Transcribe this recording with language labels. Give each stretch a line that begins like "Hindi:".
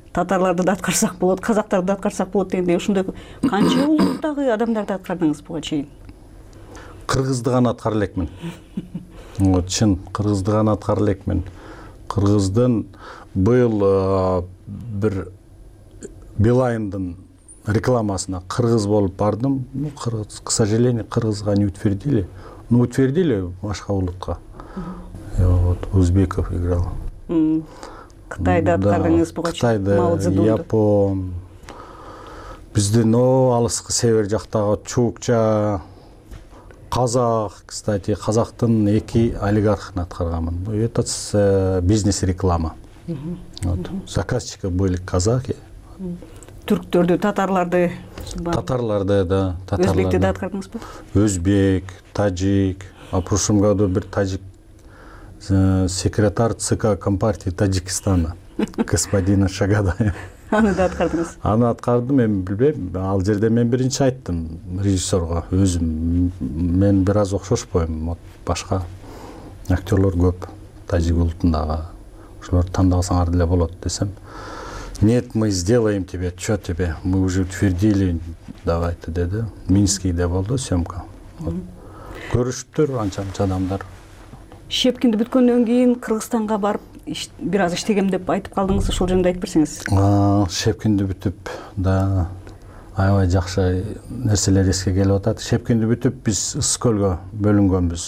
Kyrgyz: Татарларды да аткарсак болот, казактарды да аткарсак болот дегендей, ушундай канча улуттагы адамдарды аткардыңыз буга чейин? Кыргызды гана аткара элекмин. Вот, чын, кыргызды гана аткара элекмин. Кыргыздын быйыл бир Билайндын рекламасына кыргыз болуп бардым.
Russian: Ну, кыргыз, к сожалению, кыргызга не утвердили. Ну, утвердили
Kyrgyz: башка улутка.
Russian: Вот, Узбеков играл.
Kyrgyz: Кытайды аткардыңыз буга чейин. Кытайды, Япон. Биздин алыскы север жактагы чукча, казак, кстати, казактын эки олигархын аткарганмын.
Russian: Это бизнес реклама. Вот. Заказчики были казаки.
Kyrgyz: Түрктөрдү, татарларды. Татарларды да, татарларды. Өзбекти да аткардыңыз ба? Өзбек, тажик,
Russian: а прошлом году бир тажик секретарь ЦК Компартии Таджикистана господина Шагадаев.
Kyrgyz: Аны да аткардыңыз? Аны аткардым, мен билбейм. Ал жерде мен биринчи айттым режиссерго, өзүм мен бир аз окшошпойм, башка актёрлор көп тажик улутундагы. Ошолорду тандасаңар деле болот десем.
Russian: Нет, мы сделаем тебе, чё тебе? Мы уже утвердили, давай ты деди.
Kyrgyz: Минскийде болду съёмка. Көрүштүр анча-анча адамдар. Шепкинди бүткөндөн кийин Кыргызстанга барып бир аз иштегем деп айтып калдыңыз, ошол жөнүндө айтып берсеңиз. Шепкинди бүтүп да аябай жакшы нерселер эске келип атат. Шепкинди бүтүп биз Ысык-Көлгө бөлүнгөнбүз.